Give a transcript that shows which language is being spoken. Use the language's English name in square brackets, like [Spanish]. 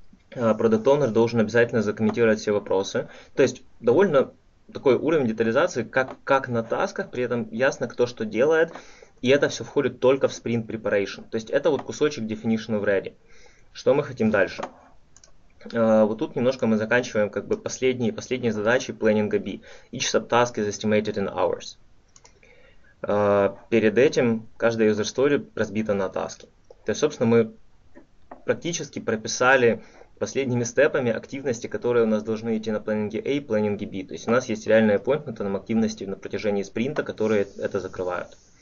[Russian] Product Owner должен обязательно закомментировать все вопросы. То есть довольно такой уровень детализации, как на тасках, при этом ясно, кто что делает. И это все входит только в Sprint Preparation. То есть это вот кусочек Definition of Ready. Что мы хотим дальше? Вот тут немножко мы заканчиваем как бы последние задачи планинга B. [English] Each subtask is estimated in hours. [Russian] Перед этим каждая user story разбита на таски. То есть, собственно, мы практически прописали последними степами активности, которые у нас должны идти на планинге A и планинге B. То есть у нас есть реальные appointments на активности на протяжении спринта, которые это закрывают.